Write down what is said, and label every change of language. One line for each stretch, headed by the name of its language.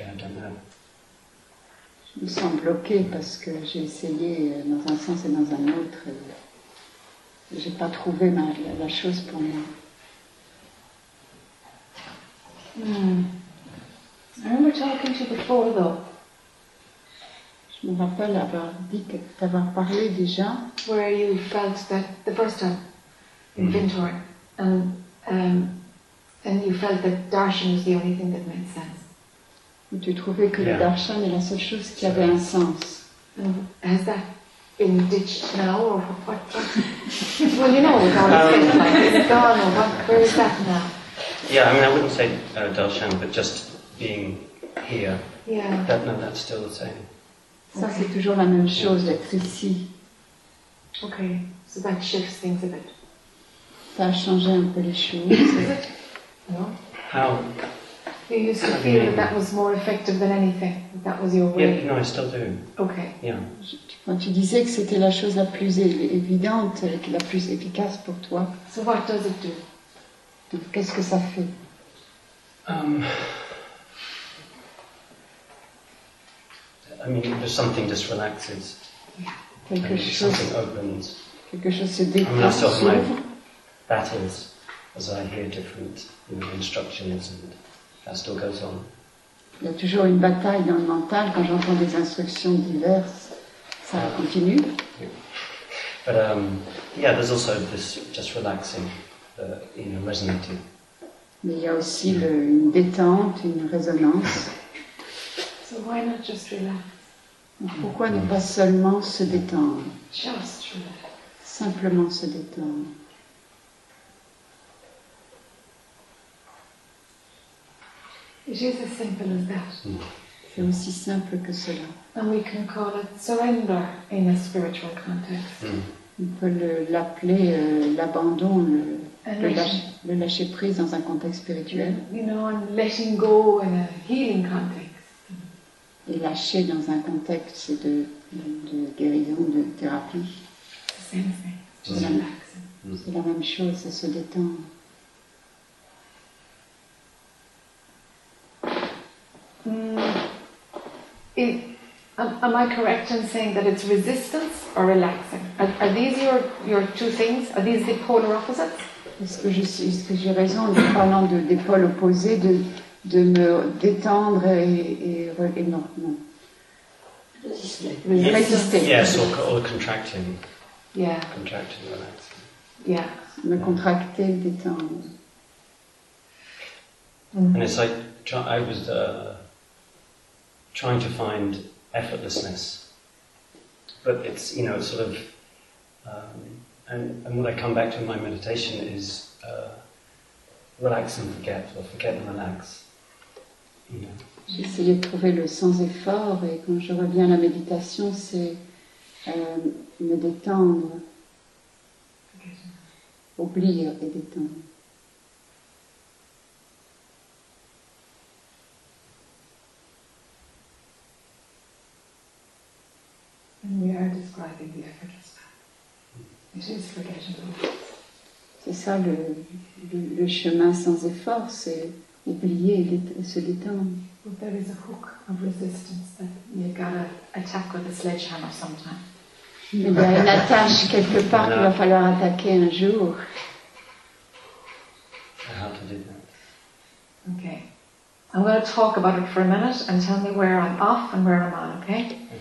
French: Je me sens bloquée parce que j'ai essayé dans un sens et dans un autre. Je n'ai pas trouvé la chose pour moi.
English: I remember talking to you before, though.
French: Je me rappelle avoir dit que tu avais parlé déjà.
English: Where you felt the first time you've been to it. And you felt that darshan was the only thing that made sense.
French: Tu trouvais que le darshan est la seule chose qui avait un sens.
English: Has that been ditched now or what? Well, you know, it's gone or what? Where is that now? Yeah, I mean, I wouldn't say darshan, but just being here. Yeah. That's still the same.
French: Ça, c'est toujours la même chose d'être ici.
English: Okay, so that shifts things a bit.
French: Ça a changé un peu les choses.
English: No? How? You used to feel that was more effective than anything. That was your way. Yeah, no, I still do. Okay. Yeah.
French: Tu disais que c'était la chose la plus évidente, la plus efficace pour toi.
English: So what does it do?
French: Donc, qu'est-ce que ça fait?
English: I mean, if something just relaxes. Yeah.
French: Quelque chose.
English: Something opens.
French: Quelque chose se déclenche.
English: I mean, I still have my battles as I hear different, you know, instructions and. That still goes on.
French: Il y a toujours une bataille dans le mental quand j'entends des instructions diverses. Ça continue.
English: Yeah. But there's also this just relaxing, you know, resonating.
French: Mais il y a aussi une détente, une résonance.
English: So why not just relax?
French: Pourquoi ne pas seulement se détendre?
English: Just relax.
French: Simplement se détendre.
English: It is as simple as that.
French: C'est aussi simple que cela.
English: And we can call it surrender in a spiritual context.
French: On peut l'appeler l'abandon, le lâcher prise dans un contexte spirituel.
English: You know, and letting go in a healing context.
French: Et lâcher dans un contexte de guérison, de thérapie.
English: The same thing.
French: C'est la même chose, c'est se détendre.
English: Am I correct in saying that it's resistance or relaxing? Are these your two things? Are these the polar opposites?
French: Est-ce que j'ai raison en parlant de des pôles opposés, de me détendre et non, non. Résister.
English: Yes, or contracting. Yeah. Contracting, relaxing. Yeah.
French: Me contracter, détendre.
English: And it's like I was trying to find effortlessness, but it's, you know, sort of, and what I come back to in my meditation is relax and forget, or forget and relax. You know.
French: J'essayais de trouver le sans effort, et quand je reviens à la méditation, c'est me détendre, oublier et détendre.
English: And we are describing the effortless path. It is forgettable.
French: C'est ça le chemin sans effort, c'est oublier et se détendre.
English: But there is a hook of resistance that you gotta attack with a sledgehammer sometime.
French: Il y a une attache quelque part qu'il va falloir attaquer un jour.
English: I have to do that. Okay. I'm going to talk about it for a minute and tell me where I'm off and where I'm on, okay?